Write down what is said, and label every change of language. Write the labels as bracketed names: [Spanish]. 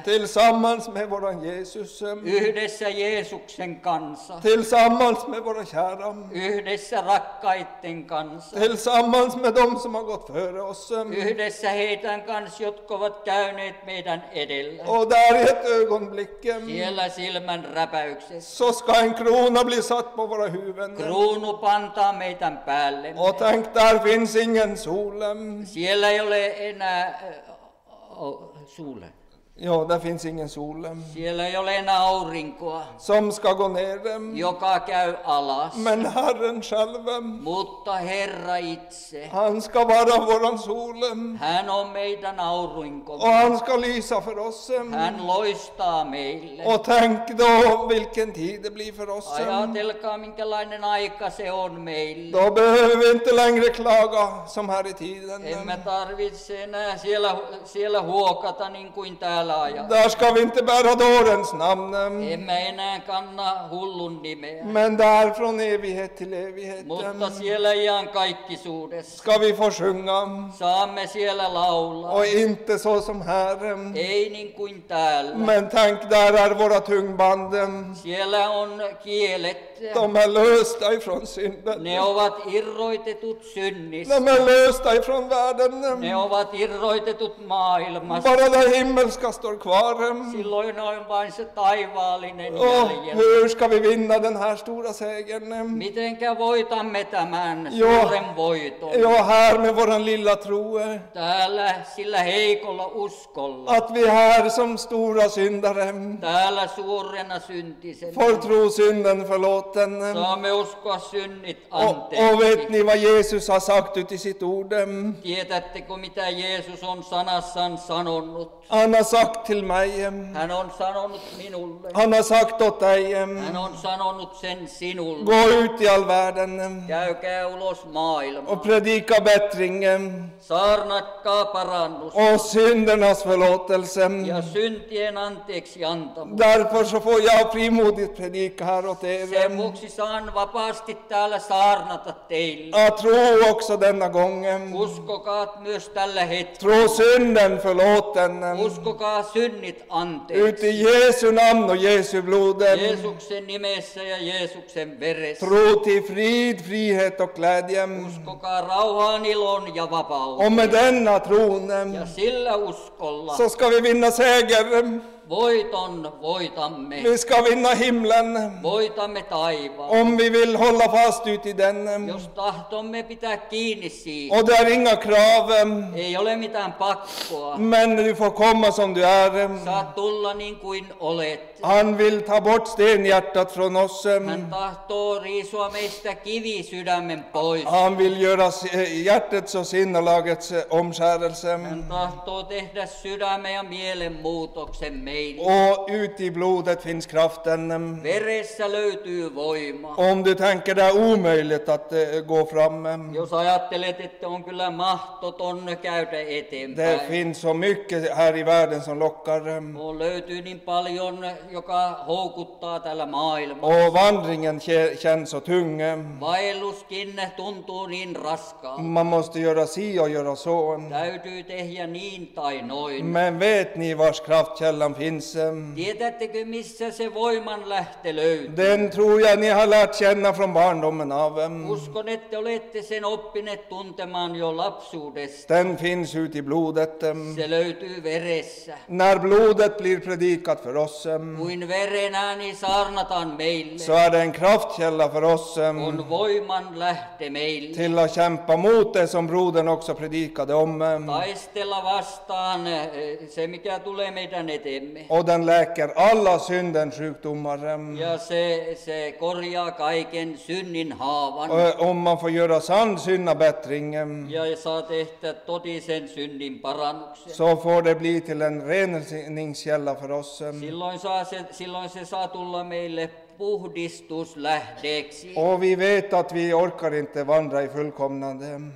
[Swedish] Tillsammans med våran Jesus. [Finnish] Yhdessä Jeesuksen kanssa. [Swedish] Tillsammans med våra kära. [Finnish] Yhdessä rakkaitten kanssa. [Swedish] Tillsammans med dem som har gått före oss. [Finnish] Yhdessä heidän kanssa, jotka ovat käyneet meidän edellä. [Swedish] Och där i ett ögonblick. [Finnish] Siellä silmän räpäyksessä. [Swedish] Så ska en krona bli satt på våra huvuden. [Finnish] Kruunu pantaa meidän päälle. [Swedish] Och tänk, där finns ingen sol. [Finnish] Siellä ei ole enää solen. [Swedish] Ja, där finns ingen sol. [Finnish] Siellä ei ole enää aurinkoa. [Swedish] Som ska gå ner. [Finnish] Joka käy alas. [Swedish] Men Herren själv. [Finnish] Mutta Herra itse. [Swedish] Han ska vara våran sol. [Finnish] Hän on meidän aurinko. [Swedish] Och han ska lysa för oss. [Finnish] Hän loistaa meille. [Swedish] Och tänk då vilken tid det blir för oss. [Finnish] Ajatelkaa minkälainen aika se on meille. [Swedish] Då behöver vi inte längre klaga som här i tiden. [Finnish] Emme tarvitse enää siellä huokata niin kuin tämä. [Swedish] Där ska vi inte bära dårens namn. [Finnish] Emme enää kanna hullun nimeä. [Swedish] Men där från evighet till evighet. [Finnish] Mutta siellä iankaikkisuudessa. [Swedish] Ska vi få sjunga. [Finnish] Saamme siellä laulaa. [Swedish] Och inte så som här. [Finnish] Ei niin kuin täällä. [Swedish] Men tänk, där är våra tungband. [Finnish] Siellä on kielet. [Swedish] De är lösta ifrån synden. [Finnish] Ne ovat irroitetut synnissä. [Swedish] De är lösta ifrån världen. [Finnish] Ne ovat irroitetut maailmassa. [Swedish] Bara där himmel. Ska stå kvar. [Finnish] Silloin on vain se taivaallinen jäljellä. [Swedish] Oh, hur ska vi vinna den här stora segern? [Finnish] Mitenkä voitamme tämän suuren voiton? [Swedish] Jo, här med våran lilla tro. [Finnish] Täällä sillä heikolla uskolla. [Swedish] Att vi här som stora syndare. [Finnish] Täällä suurena syntisen. [Swedish] Får tro synden förlåten. [Finnish] Saamme uskoa synnit anteeksi. [Swedish] Och vet ni vad Jesus har sagt ut i sitt ord? [Finnish] Tietättekö mitä Jeesus on sanassaan sanonut? [Swedish] Han har sagt till mig. [Finnish] Han on sanonut minulle. [Swedish] Han har sagt åt dig. [Finnish] Han on sanonut sen sinulle. [Swedish] Gå ut i all världen. [Finnish] Käykää ulos maailmaan. [Swedish] Och predika bättringen. [Finnish] Saarnakkaa parannus. [Swedish] Och syndernas förlåtelse. [Finnish] Ja syntien anteeksi antamus. [Swedish] Därför så får jag frimodigt predika här åt er. [Finnish] Sen vuoksi saan vapaasti täällä saarnata teille. [Swedish] Ja tro också denna gången. [Finnish] Uskokaat myös tällä hetkellä. [Swedish] Tro synden förlåten. [Finnish] Uskokaa synnit anteeksi. [Swedish] Ut i Jesu namn och Jesu blod. [Finnish] Jeesuksen nimessä ja Jeesuksen veressä. [Swedish] Tro till frid, frihet och glädje. [Finnish] Uskokaa rauhan, ilon ja vapauden. [Swedish] Och med denna tron. [Finnish] Ja sillä uskolla. [Swedish] Så ska vi vinna seger. [Finnish] Voiton voitamme. [Swedish] Vi ska vinna himlen. [Finnish] Voitamme taivaan. [Swedish] Om vi vill hålla fast ut i den. [Finnish] Jos tahtomme pitää kiinni siihen. [Swedish] Och det är inga krav. [Finnish] Ei ole mitään pakkoa. [Swedish] Men du får komma som du är. [Finnish] Saat tulla niin kuin olet. [Swedish] Han vill ta bort stenhjärtat från oss. [Finnish] Hän tahtoo riisua meistä kivi sydämen pois. [Swedish] Han vill göra hjärtat så sinnelagets omskärelse. [Finnish] Hän tahtoo tehdä sydämen ja mielen muutoksen. [Swedish] Och ut i blodet finns kraften. [Finnish] Veressä löytyy voima. [Swedish] Om du tänker det är omöjligt att gå fram. [Finnish] Jos ajattelet, että on kyllä mahtoton käydä eteenpäin. [Swedish] Det finns så mycket här i världen som lockar. [Finnish] Och löytyy niin paljon, joka houkuttaa tällä maailmassa. [Swedish] Och vandringen känns så tung. [Finnish] Vaelluskin tuntuu niin raskaan. [Swedish] Man måste göra si och göra så. [Finnish] Täytyy tehdä niin tai noin. [Swedish] Men vet ni vars kraft källan finns. [Finnish] Tiedättekö missä se voiman lähte löytyy? [Swedish] Den tror jag ni har lärt känna från barndomen av. [Finnish] Uskon, että olette sen oppineet tuntemaan jo lapsuudesta. [Swedish] Den finns ut i blodet. [Finnish] Se löytyy veressä. [Swedish] När blodet blir predikat för oss, [Finnish] kuin veren ääni saarnataan meille, [Swedish] så är det en kraftkälla för oss, [Finnish] kun voiman lähte meille, [Swedish] till att kämpa mot det som brodern också predikade om, [Finnish] taistella vastaan se mikä tulee meidän eteemme, [Swedish] och den läker alla synden sjukdomar, [Finnish] ja se korjaa kaiken synnin haavan, [Swedish] om man får göra sann synnabättring, [Finnish] ja saa tehtä totisen synnin parannuksen, [Swedish] så får det bli till en reningskälla för oss. [Finnish] Silloin se saa tulla meille puhdistuslähteeksi. [Swedish] Och vi vet att vi orkar inte vandra i fullkomnande.